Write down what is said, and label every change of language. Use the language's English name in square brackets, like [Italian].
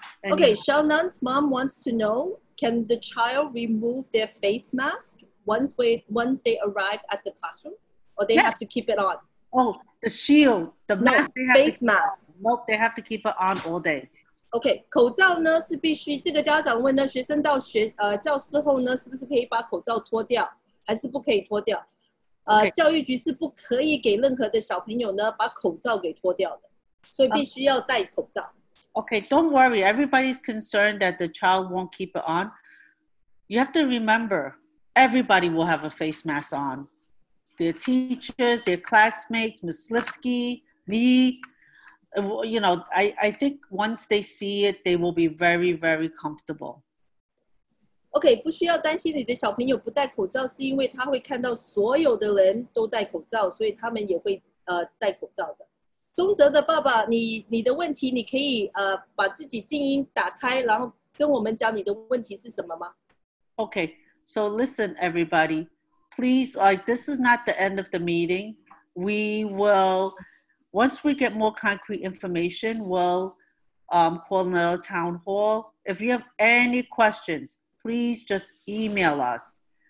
[English] And okay, Xiaonan's mom wants to know, can the child remove their face mask once they arrive at the classroom? Or they have to keep it on? Oh, the shield, the mask. No, face mask. Nope, they have to keep it on all day. [Chinese] Okay, 口罩呢是必须。这个家长问呢，学生到教室后呢，是不是可以把口罩脱掉，还是不可以脱掉？ [English] Okay. [Chinese] 教育局是不可以给任何的小朋友呢把口罩给脱掉的，所以必须要戴口罩。 [English] Okay, don't worry. Everybody's concerned that the child won't keep it on. You have to remember, everybody will have a face mask on. Their teachers, their classmates, Ms. Slivsky, me. You know, I think once they see it, they will be very, very comfortable. [Chinese] Okay, 不需要担心你的小朋友不戴口罩，是因为他会看到所有的人都戴口罩，所以他们也会戴口罩的。宗泽的爸爸，你的问题，你可以把自己静音打开，然后跟我们讲你的问题是什么吗？ [English] Okay, so listen, everybody. Please, this is not the end of the meeting. We will, once we get more concrete information, we'll call another town hall. If you have any questions, please just email us.